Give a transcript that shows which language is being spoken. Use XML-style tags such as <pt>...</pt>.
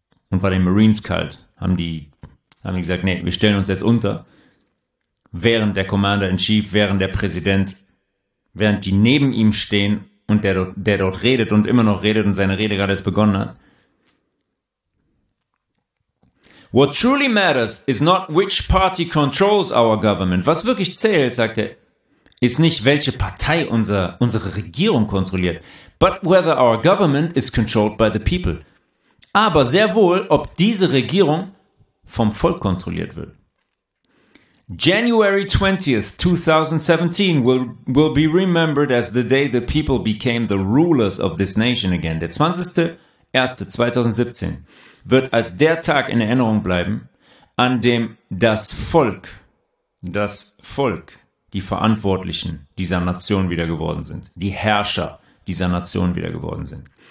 <de>Und war den Marines kalt? Haben die gesagt, nee, wir stellen uns jetzt unter. Während der Commander in Chief, während der Präsident, während die neben ihm stehen und der dort redet und immer noch redet und seine Rede gerade erst begonnen hat.</de> <en>What truly matters is not which party controls our government.</en> <de>Was wirklich zählt, sagt er, ist nicht, welche Partei unsere Regierung kontrolliert,</de> <en>but whether our government is controlled by the people.</en> <de>Aber sehr wohl, ob diese Regierung vom Volk kontrolliert wird.</de> <en>January 20th, 2017 will be remembered as the day the people became the rulers of this nation again.</en> <de>Der 20.01.2017 wird als der Tag in Erinnerung bleiben, an dem das Volk, die Verantwortlichen dieser Nation wieder geworden sind, die Herrscher dieser Nation wieder geworden sind.</de>